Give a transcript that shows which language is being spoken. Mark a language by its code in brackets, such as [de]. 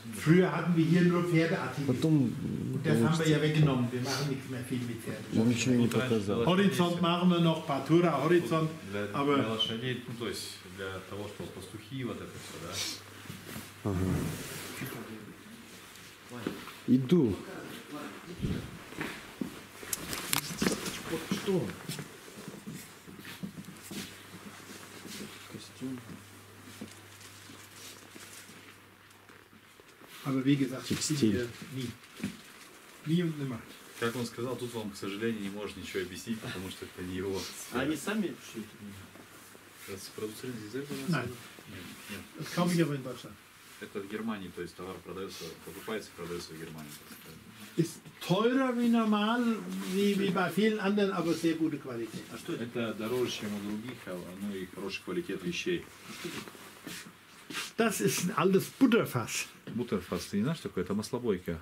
[de] Früher hatten wir hier nur Pferdeartikel. [ru] Потом. [de] Das haben wir ja weggenommen. Wir machen nichts mehr viel mit Pferden. Wir haben [ru] ничего не показал. [de] Horizont machen wir noch, Partura Horizont. Aber. [ru] Для лошадей, ну то есть для того, чтобы пастухи вот это все, да. Ага. Иду. Что? [de] Aber wie gesagt, Textil. Nie. Nie und nimmer. [ru] Как он сказал, тут вам, к сожалению, не может ничего объяснить, потому что это не его. А они сами продуцируют из этого? [de] Nein. [ru] Нет. [de] Kaum hier in Deutschland. [ru] Это в Германии, то есть товар продается, покупается и продается в Германии. [de] Ist teurer wie normal, wie bei vielen anderen, aber sehr gute Qualität. [ru] А что это? Это дороже, чем у других, но и хороший квалитет вещей. [de] Das ist ein altes Butterfass. [ru] Butterfass, ты не знаешь, такое? Это маслобойка.